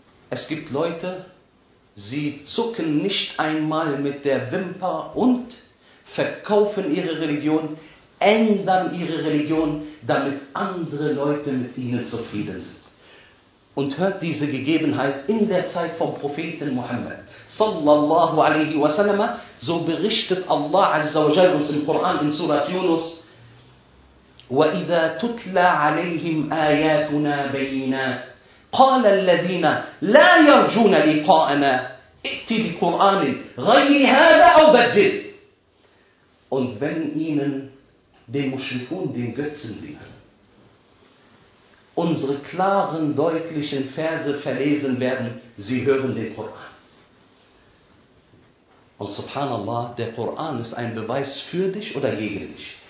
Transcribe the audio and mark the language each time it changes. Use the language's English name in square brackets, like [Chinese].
[German] Es gibt Leute, sie zucken nicht einmal mit der Wimper und verkaufen ihre Religion, ändern ihre Religion, damit andere Leute mit ihnen zufrieden sind. Und hört diese Gegebenheit in der Zeit vom Propheten Muhammad sallallahu alaihi wasallam. So berichtet Allah azza wa jalla uns im Koran in Surah Yunus: [Arabic] وَإِذَا تُتْلَى عَلَيْهِمْ آيَاتُنَا بَيِّنَاتٍ قَالَ الَّذِينَ لَا يَرْجُونَ لِقَاءَنَا ائْتِ بِقُرْآنٍ غَيْرِ هَذَا أَوْ بَدِّلْ. [German] Und wenn ihnen den Muschrikun, den Götzendienern, unsere klaren, deutlichen Verse verlesen werden, sie hören den Koran. Und subhanallah, der Koran ist ein Beweis für dich oder gegen dich.